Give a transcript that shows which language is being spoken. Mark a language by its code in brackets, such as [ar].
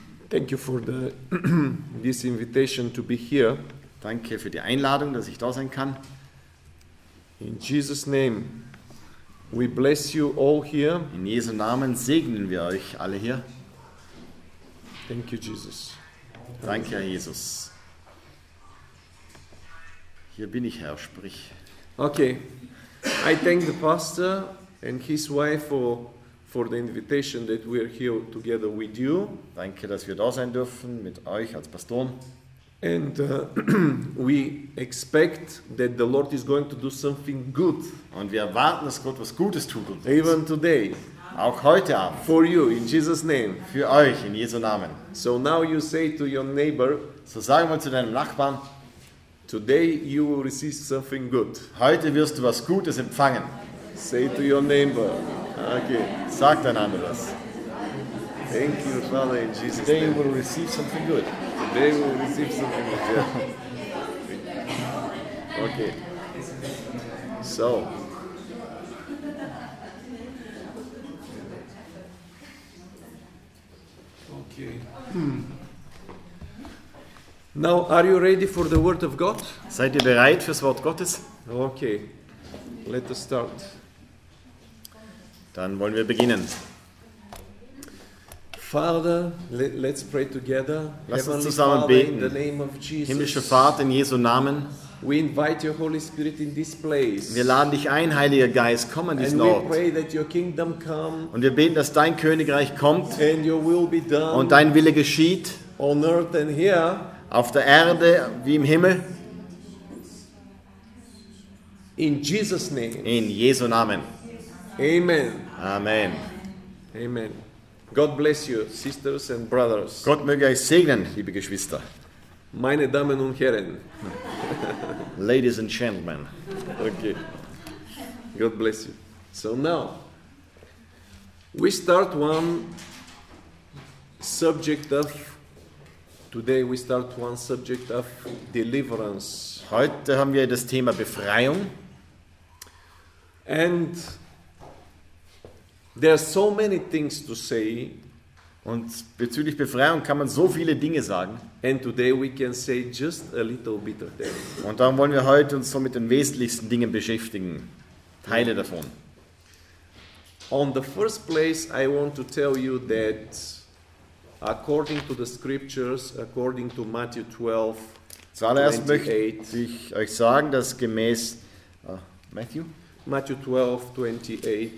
[en] Thank you for the this invitation to be here. [de] Danke für die Einladung, dass ich da sein kann. [en] In Jesus' name, we bless you all here. [de] In Jesu Namen segnen wir euch alle hier. [en] Thank you, Jesus. [de] Danke, Herr Jesus. Hier bin ich, Herr, sprich. [en] Okay, I thank the pastor and his wife for the invitation that we are here together with you. [de] Danke, dass wir da sein dürfen mit euch als Pastoren. [en] And we expect that the Lord is going to do something good. [de] Und wir erwarten, dass Gott was Gutes tut uns. [en] Even today. [de] Auch heute Abend. [en] For you, in Jesus' name. [de] Für euch, in Jesu Namen. [en] So now you say to your neighbor. [de] So sagen wir zu deinem Nachbarn. [en] Today you will receive something good. [de] Heute wirst du was Gutes empfangen. [en] Say to your neighbor. Okay. [de] Sag einander das. [en] Thank you, Father, in Jesus' name. Today you will receive something good. Today you will receive something good. Okay. So. Okay. Now, are you ready for the Word of God? [de] Seid ihr bereit fürs Wort Gottes? [en] Okay. Let us start. [de] Dann wollen wir beginnen. [en] Father, let's pray together. [de] Lass uns zusammen beten. Himmlischer Vater, in Jesu Namen. [en] We invite your Holy Spirit in this place. [de] Wir laden dich ein, Heiliger Geist, komm an diesen [en] and [de] Ort. [en] We pray that your kingdom come. [de] Und wir beten, dass dein Königreich kommt. [en] And your will be done. [de] Und dein Wille geschieht. [en] On earth and here. [de] Auf der Erde wie im Himmel. [en] In Jesus' name. [de] In Jesu Namen. [en] Amen. [de] Amen. [en] Amen. God bless you, sisters and brothers. [de] Gott möge euch segnen, liebe Geschwister. Meine Damen und Herren. [en] Ladies and gentlemen. Okay. God bless you. So now, we start one subject of today we start one subject of deliverance. [de] Heute haben wir das Thema Befreiung. [en] And there are so many things to say. [de] Und bezüglich Befreiung kann man so viele Dinge sagen. [en] And today we can say just a little bit of that. [de] Und darum wollen wir heute uns so mit den wesentlichsten Dingen beschäftigen, Teile davon. [en] On the first place, I want to tell you that according to the scriptures, according to Matthew 12, 28. [de] Zuallererst möchte ich euch sagen, dass gemäß [en] Matthew 12, 28.